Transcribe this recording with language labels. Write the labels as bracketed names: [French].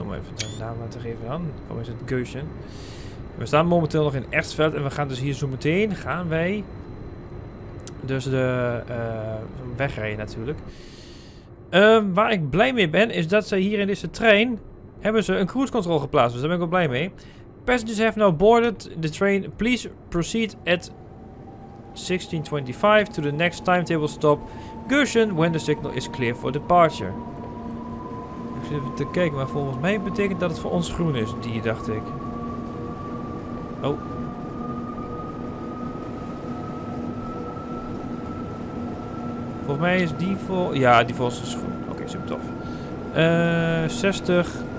[Dutch] Om even de naam te geven dan. Waarom is het Groschen? We staan momenteel nog in Ersveld en we gaan dus hier zo meteen gaan wij dus de weg rijden natuurlijk. Waar ik blij mee ben is dat ze hier in deze trein hebben ze een cruise control geplaatst. Dus daar ben ik wel blij mee. [English] Passengers have now boarded the train. Please proceed at 1625 to the next timetable stop. Groschen when the signal is clear for departure. [Dutch] Ik zit even te kijken, maar volgens mij betekent dat het voor ons groen is, die dacht ik. Oh. Volgens mij is die voor. Ja, die voor is goed. Oké, okay, super tof. 60.